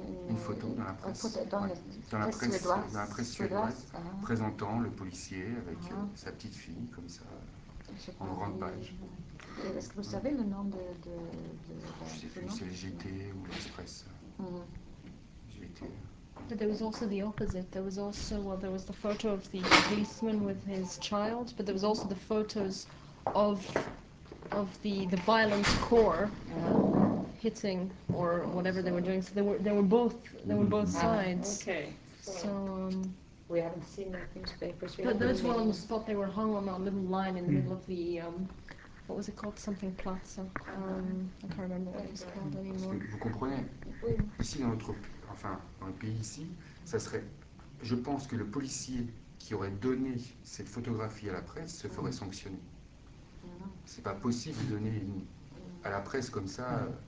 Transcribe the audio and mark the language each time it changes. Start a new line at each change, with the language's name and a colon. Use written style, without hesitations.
French: une photo dans la presse, suédoise présentant le policier avec sa petite fille, comme ça, en grande page. Est-ce que vous savez le nom de... Je ne sais plus, c'est le GT ou l'Express. GT.
English: But there was also the opposite. There was also, well, there was the photo of the policeman with his child, but there was also the photos of the violent core. Hitting or whatever they were doing, so there were both sides. We haven't seen the newspapers. But those ones thought they were hung on a little line in the middle of the what was it called? Something Plaza. I can't remember what it was called anymore.
French: Vous comprenez? Oui. Ici dans notre, enfin dans le pays ici, ça serait, je pense que le policier qui aurait donné cette photographie à la presse se ferait sanctionner. C'est pas possible de donner à la presse comme ça.